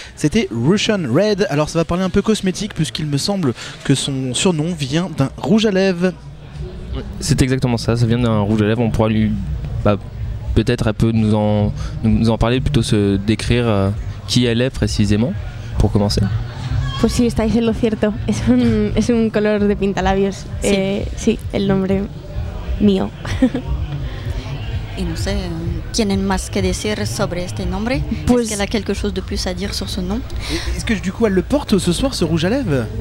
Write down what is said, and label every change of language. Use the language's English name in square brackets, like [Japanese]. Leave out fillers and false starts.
[French] C'était Russian Red. Alors ça va parler un peu cosmétique puisqu'il me semble que son surnom vient d'un rouge à lèvres. C'est exactement ça, ça vient d'un rouge à lèvres. On pourra lui... Bah, peut-être elle peut nous en parler, plutôt se décrire qui elle est précisément. Pour commencer. [Spanish] Pues sí, estáis en lo cierto. Es un color de pintalabios. Sí, sí, el nombre mío. Y no sé, ¿tienen más que decir sobre este nombre? Pues, ¿es que [French] elle a quelque chose de plus à dire sur ce nom? Est-ce que du coup elle le porte ce soir, ce rouge à lèvres?